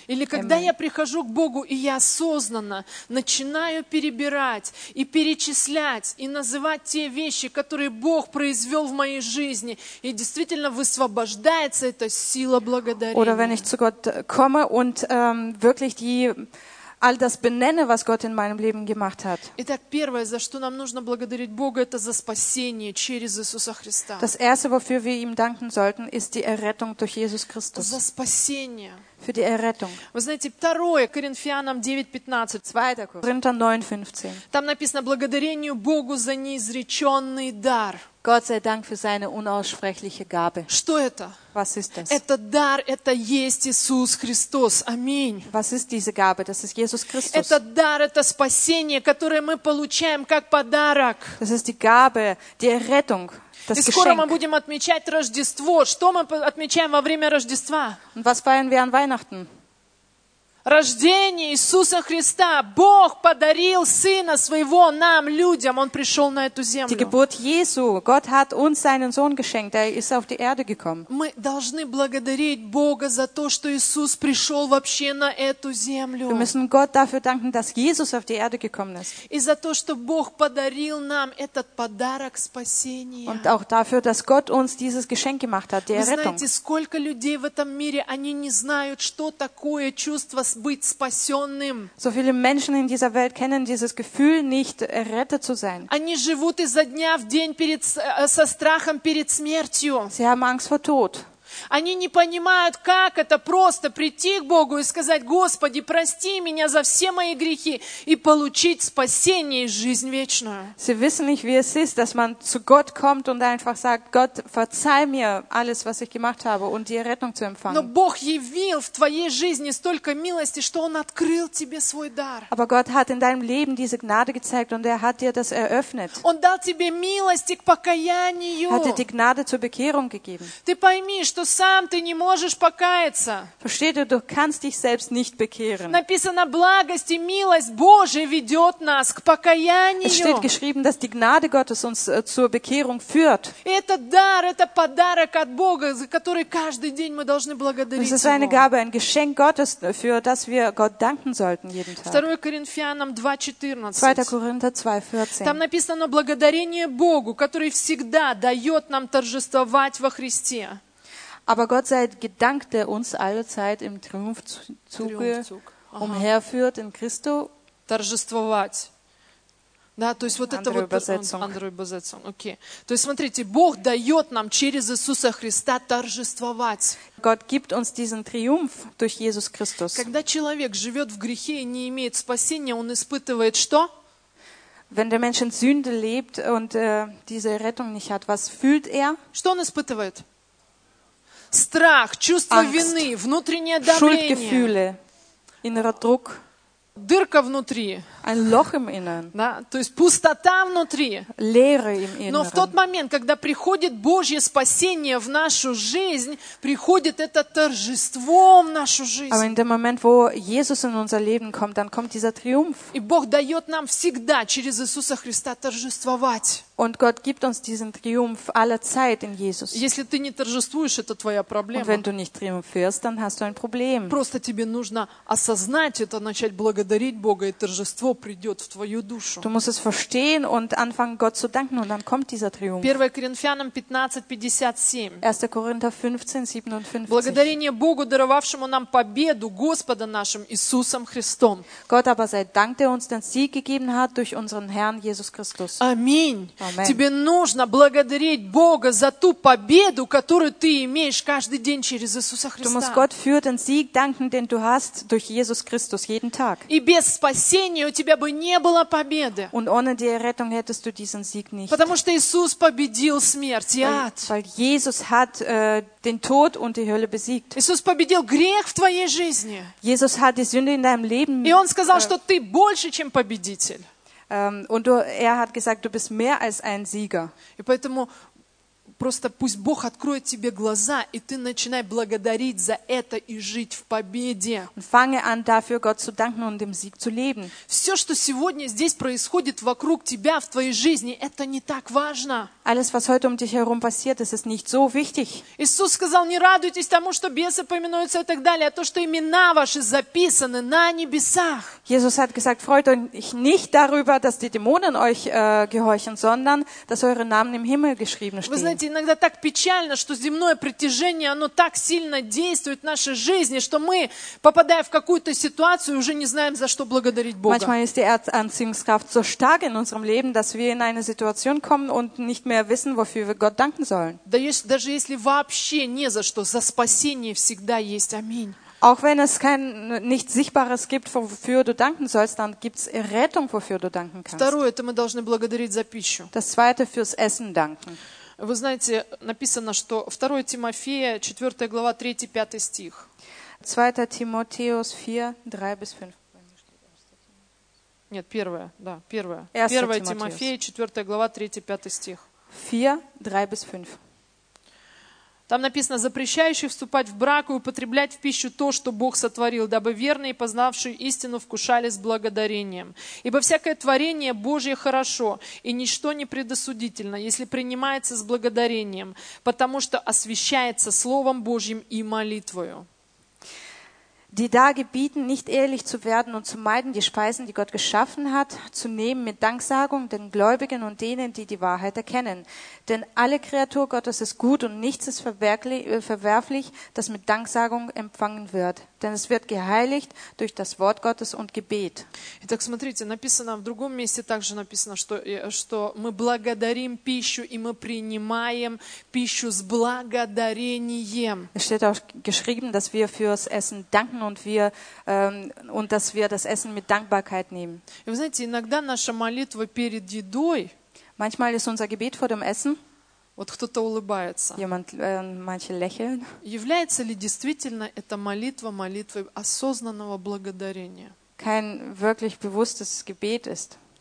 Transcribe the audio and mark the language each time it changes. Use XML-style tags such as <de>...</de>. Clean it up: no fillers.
<ru>Или когда я прихожу к Богу и я осознанно начинаю перебирать и перечислять и называть те вещи, которые Бог произвел в моей жизни. И действительно высвобождается эта сила благодарения.</ru> <de>Oder wenn ich zu Gott komme und wirklich die all das benenne, was Gott in meinem Leben gemacht hat.</de> <ru>Итак, первое, за что нам нужно благодарить Бога, это за спасение через Иисуса Христа.</ru> <de>Das erste, wofür wir ihm danken sollten, ist die Errettung durch Jesus Christus.</de> <ru>За спасение.</ru> <de>Für die Errettung.</de> <ru>Вы знаете, второе, Коринфянам 9:15.</ru> <de>2 Korinther 9:15.</de> <ru>Там написано благодарению Богу за неизреченный дар.</ru> <de>Gott sei Dank für seine unaussprechliche Gabe.</de> <ru>Что это?</ru> <de>Was ist das?</de> <ru>Это дар, это есть Иисус Христос. Аминь.</ru> <de>Was ist diese Gabe? Das ist Jesus Christus.</de> <ru>Это дар, это спасение, которое мы получаем как подарок.</ru> <de>Das ist die Gabe, die Errettung, das Geschenk.</de> <ru>И скоро мы будем отмечать Рождество. Что мы отмечаем во время Рождества?</ru> <de>Und was feiern wir an Weihnachten?</de> <ru>Рождение Иисуса Христа. Бог подарил Сына Своего нам, людям. Он пришел на эту землю.</ru> <de>Die Geburt Jesu. Gott hat uns seinen Sohn geschenkt. Er ist auf die Erde gekommen.</de> <ru>Мы должны благодарить Бога за то, что Иисус пришел вообще на эту землю.</ru> <de>Wir müssen Gott dafür danken, dass Jesus auf die Erde gekommen ist.</de> <ru>И за то, что Бог подарил нам этот подарок спасения.</ru> <de>Und auch dafür, dass Gott uns dieses Geschenk gemacht hat, die Errettung.</de> <ru>Вы знаете, сколько людей в этом мире, они не знают, что такое чувство быть спасенным.</ru> <de>So viele Menschen in dieser Welt kennen dieses Gefühl nicht, errettet zu sein.</de> <ru>Они живут изо дня в день перед, со страхом перед смертью.</ru> <de>Sie haben Angst vor Tod.</de> <ru>Они не понимают, как это просто прийти к Богу и сказать: «Господи, прости меня за все мои грехи» и получить спасение и жизнь вечную.</ru> <de>Sie wissen nicht, wie es ist, dass man zu Gott kommt und einfach sagt: «Gott, verzeih mir alles, was ich gemacht habe», und die Rettung zu empfangen.</de> <ru>Но Бог явил в твоей жизни столько милости, что Он открыл тебе свой дар.</ru> <de>Aber Gott hat in deinem Leben diese Gnade gezeigt und er hat dir das eröffnet.</de> <ru>Он дал тебе милости к покаянию.</ru> <de>Hat dir die Gnade zur Bekehrung gegeben.</de> <ru>Ты пойми, что сам ты не можешь покаяться.</ru> <de>Versteht ihr, du kannst dich selbst nicht bekehren.</de> <ru>Написано: «Благость и милость Божия ведет нас к покаянию».</ru> <de>Es steht geschrieben, dass die Gnade Gottes uns zur Bekehrung führt.</de> <ru>Это дар, это подарок от Бога, за который каждый день мы должны благодарить Его.</ru> <de>Es ist eine Gabe, ein Geschenk Gottes, für das wir Gott danken sollten jeden Tag.</de> <ru>2 Коринфянам 2:14.</ru> <de>2 Korinther 2:14.</de> <ru>Там написано: «Благодарение Богу, который всегда дает нам торжествовать во Христе».</ru> <de>Aber Gott sei Dank, der uns allezeit im Triumphzug umherführt in Christo.</de> <ru>Торжествовать. Да, то есть вот это вот Андрей Базецон. Окей. То есть смотрите, Бог дает нам через Иисуса Христа торжествовать.</ru> <de>Gott gibt uns diesen Triumph durch Jesus Christus.</de> <ru>Когда человек живет в грехе и не имеет спасения, он испытывает что?</ru> <de>Wenn der Mensch in Sünde lebt und diese Rettung nicht hat, was fühlt er?</de> <ru>Что он испытывает? Страх, чувство</ru> <de>Angst,</de> <ru>вины, внутреннее давление.</ru> <de>Schuldgefühle, innerer Druck.</de> <ru>Дырка внутри.</ru> <de>Ein Loch im Inneren.</de> <ru>Да, то есть пустота внутри.</ru> <de>Leere im Inneren.</de> <ru>Но в тот момент, когда приходит Божье спасение в нашу жизнь, приходит это торжество в нашу жизнь.</ru> <de>Aber in dem Moment, wo Jesus in unser Leben kommt, dann kommt dieser Triumph.</de> <ru>И Бог дает нам всегда через Иисуса Христа торжествовать.</ru> <de>Und Gott gibt uns diesen Triumph aller Zeit in Jesus.</de> <ru>Если ты не торжествуешь, это твоя проблема.</ru> <de>Und wenn du nicht triumphierst, dann hast du ein Problem.</de> <ru>Просто тебе нужно осознать это, начать благодарить Бога, и торжество придет в твою душу.</ru> <de>Du musst es verstehen und anfangen, Gott zu danken, und dann kommt dieser Triumph.</de> <ru>1 Коринфянам 15:57.</ru> <de>1 Korinther 15:57.</de> <ru>Благодарение Богу, даровавшему нам победу, Господа нашим Иисусом Христом.</ru> <de>Gott aber sei Dank, der uns den Sieg gegeben hat durch unseren Herrn Jesus Christus. Amen. Amen.</de> <ru>Тебе нужно благодарить Бога за ту победу, которую ты имеешь каждый день через Иисуса Христа.</ru> <de>Du musst Gott für den Sieg danken, den du hast durch Jesus Christus jeden Tag.</de> <ru>И без спасения у тебя бы не было победы.</ru> <de>Und ohne die Errettung hättest du diesen Sieg nicht.</de> <ru>Потому что Иисус победил смерть и ад.</ru> <de>Weil Jesus hat den Tod und die Hölle besiegt.</de> <ru>Иисус победил грех в твоей жизни.</ru> <de>Jesus hat die Sünde in deinem Leben.</de> <ru>И он сказал, что ты больше, чем победитель.</ru> <de>Und er hat gesagt, du bist mehr als ein Sieger.</de> <ru>И поэтому просто пусть Бог откроет тебе глаза, и ты начинай благодарить за это и жить в победе.</ru> <de>Und fange an, dafür Gott zu danken und dem Sieg zu leben.</de> <ru>Все, что сегодня здесь происходит вокруг тебя в твоей жизни, это не так важно.</ru> <de>Alles, was heute um dich herum passiert, das ist nicht so wichtig.</de> <ru>Иисус сказал: не радуйтесь тому, что бесы поминуются и так далее, а то, что имена ваши записаны на небесах.</ru> <de>Jesus hat gesagt: freut euch nicht darüber, dass die Dämonen euch gehorchen, sondern dass eure Namen im Himmel geschrieben stehen.</de> <ru>Вы знаете, иногда так печально, что земное притяжение, оно так сильно действует в нашей жизни, что мы, попадая в какую-то ситуацию, уже не знаем, за что благодарить Бога.</ru> <de>Manchmal ist die Erdanziehungskraft so stark in unserem Leben, dass wir in eine Situation kommen und nicht mehr wissen, wofür wir Gott danken sollen.</de> <ru>Даже если вообще не за что, за спасение всегда есть. Аминь.</ru> <de>Auch wenn es kein nichts Sichtbares gibt, wofür du danken sollst, dann gibt es Errettung, wofür du danken kannst.</de> <ru>Второе, это мы должны благодарить за пищу.</ru> <de>Das zweite, fürs Essen danken.</de> <ru>Вы знаете, написано, что 2 Тимофея, 4 глава, 3-5 стих.</ru> <de>2 Тимотеус 4:3-5.</de> <ru>Нет, первое, да, первое. 1 Тимофея, 4 глава, 3-5 стих.</ru> <de>4:3-5.</de> <ru>Там написано: запрещающий вступать в брак и употреблять в пищу то, что Бог сотворил, дабы верные, познавшие истину, вкушали с благодарением. Ибо всякое творение Божье хорошо, и ничто не предосудительно, если принимается с благодарением, потому что освящается Словом Божьим и молитвою.</ru> <de>die da gebieten, nicht ehrlich zu werden und zu meiden, die Speisen, die Gott geschaffen hat, zu nehmen mit Danksagung den Gläubigen und denen, die die Wahrheit erkennen. Denn alle Kreatur Gottes ist gut und nichts ist verwerflich, das mit Danksagung empfangen wird. Denn es wird geheiligt durch das Wort Gottes und Gebet.</de> <ru>Итак, смотрите, написано в другом месте также написано, что мы благодарим пищу и мы принимаем пищу с благодарением.</ru> <de>Es steht auch geschrieben, dass wir fürs Essen danken und und dass wir das Essen mit Dankbarkeit nehmen.</de> <ru>И вы знаете, иногда наша молитва перед едой.</ru> <de>Manchmal ist unser Gebet vor dem Essen.</de> <ru>Вот кто-то улыбается.</ru> <de>Manche lächeln.</de> <ru>Является ли действительно эта молитва молитвой осознанного благодарения?</ru> <de>Kein wirklich bewusstes Gebet ist.</de>